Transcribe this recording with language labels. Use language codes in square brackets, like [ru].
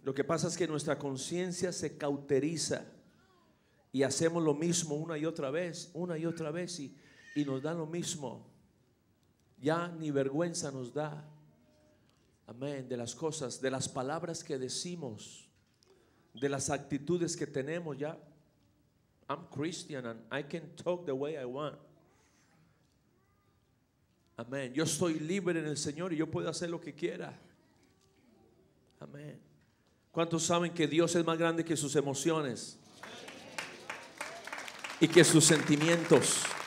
[es] Lo que pasa es que nuestra conciencia se cauteriza y hacemos lo mismo una y otra vez y nos da lo mismo. Ya ni vergüenza nos da. Amén. De las cosas, de las palabras que decimos, de las actitudes que tenemos, ya. [en] I'm Christian and I can talk the way I want. [es] Amén. Yo estoy libre en el Señor y yo puedo hacer lo que quiera. Amén. ¿Cuántos saben que Dios es más grande que sus emociones y que sus sentimientos?